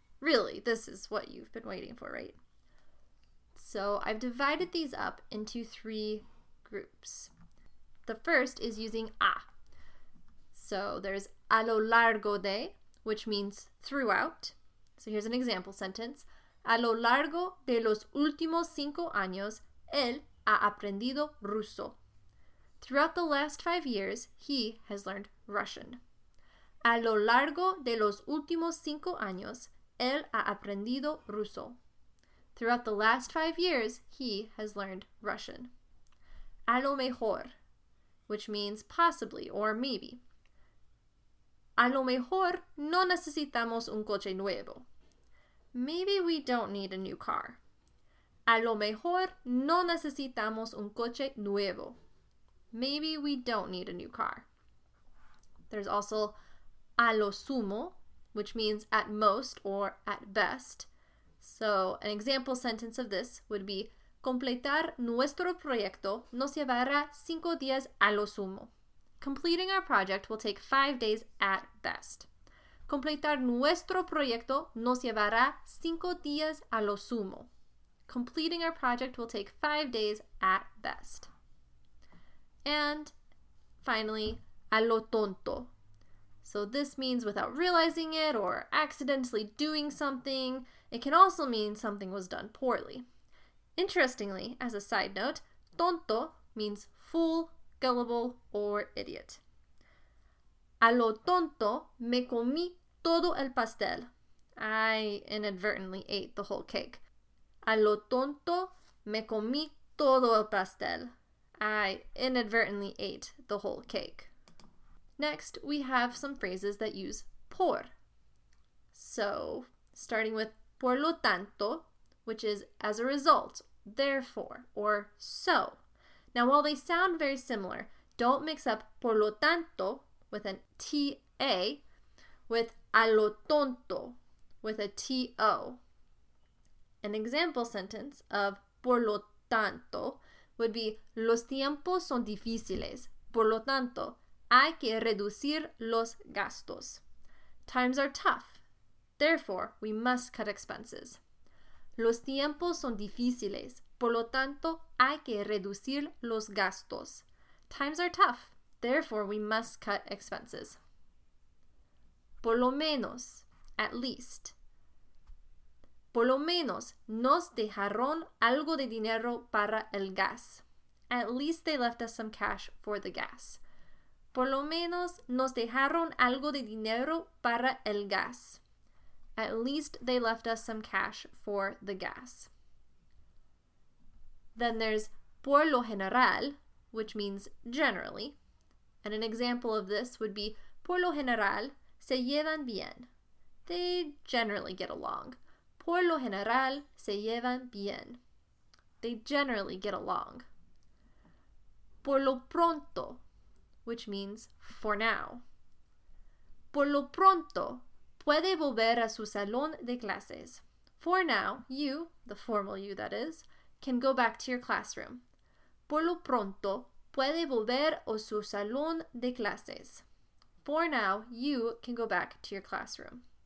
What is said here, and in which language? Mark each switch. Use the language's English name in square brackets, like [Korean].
[English] Really, this is what you've been waiting for, right? So I've divided these up into three groups. The first is using a. So there's a lo largo de, which means throughout. So here's an example sentence. [Spanish] A lo largo de los últimos 5 años, él ha aprendido ruso. [English] Throughout the last 5 years, he has learned Russian. [Spanish] A lo largo de los últimos 5 años, Él ha aprendido ruso. [English] Throughout the last 5 years, he has learned Russian. A lo mejor, which means possibly or maybe. [Spanish] A lo mejor no necesitamos un coche nuevo. [English] Maybe we don't need a new car. [Spanish] A lo mejor no necesitamos un coche nuevo. [English] Maybe we don't need a new car. There's also a lo sumo, which means at most or at best. So, an example sentence of this would be: [Spanish] Completar nuestro proyecto nos llevará 5 días a lo sumo. [English] Completing our project will take 5 days at best. [Spanish] Completar nuestro proyecto nos llevará 5 días a lo sumo. [English] Completing our project will take 5 days at best. And finally, a lo tonto. So this means without realizing it or accidentally doing something. It can also mean something was done poorly. Interestingly, as a side note, tonto means fool, gullible, or idiot. [Spanish] A lo tonto me comí todo el pastel. [English] I inadvertently ate the whole cake. [Spanish] A lo tonto me comí todo el pastel. [English] I inadvertently ate the whole cake. Next, we have some phrases that use por. So, starting with por lo tanto, which is as a result, therefore, or so. Now, while they sound very similar, don't mix up por lo tanto with an TA with a lo tonto with a TO. An example sentence of por lo tanto would be [Spanish] los tiempos son difíciles. Por lo tanto, hay que reducir los gastos. [English] Times are tough. Therefore, we must cut expenses. [Spanish] Los tiempos son difíciles. Por lo tanto, hay que reducir los gastos. [English] Times are tough. Therefore, we must cut expenses. Por lo menos, at least. [Spanish] Por lo menos, nos dejaron algo de dinero para el gas. [English] At least they left us some cash for the gas. [Spanish] Por lo menos, nos dejaron algo de dinero para el gas. [English] At least they left us some cash for the gas. Then there's por lo general, which means generally. And an example of this would be [Spanish] por lo general, se llevan bien. [English] They generally get along. [Spanish] Por lo general, se llevan bien. [English] They generally get along. Por lo pronto, which means for now. [Spanish] Por lo pronto, puede volver a su salón de clases. [English] For now, you, the formal you that is, can go back to your classroom. [Spanish] Por lo pronto, puede volver a su salón de clases. [English] For now, you can go back to your classroom.